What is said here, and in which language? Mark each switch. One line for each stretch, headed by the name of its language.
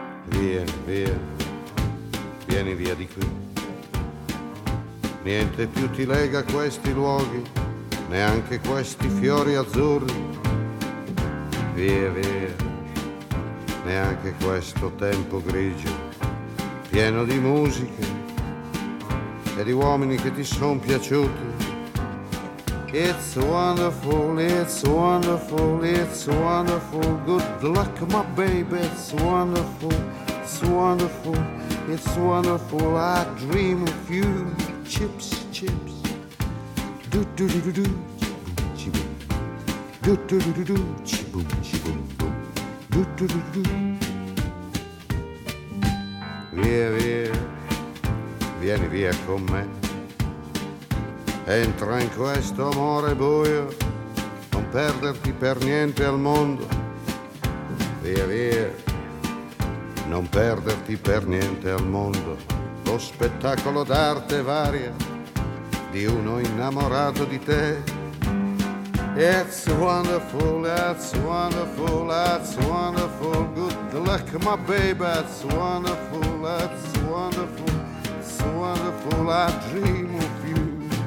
Italian: Vieni via, vieni via di qui. Niente più ti lega a questi luoghi, neanche questi fiori azzurri. Via, via, neanche questo tempo grigio, pieno di musiche e di uomini che ti son piaciuti.
English: It's wonderful, it's wonderful, it's wonderful. Good luck, my baby, it's wonderful. It's wonderful, it's wonderful. I dream of you. Chips, chips. Do-do-do-do-do. Chi-boom. Do-do-do-do-do. Chi-boom, chi-boom, boom. Do-do-do-do-do.
Italian: Via, via. Vieni via con me. Entra in questo amore buio. Non perderti per niente al mondo. Via, via. Non perderti per niente al mondo, lo spettacolo d'arte varia di uno innamorato di te.
English: It's wonderful, that's wonderful, that's wonderful. Good luck, my baby, that's wonderful, that's wonderful. It's wonderful, I dream of you.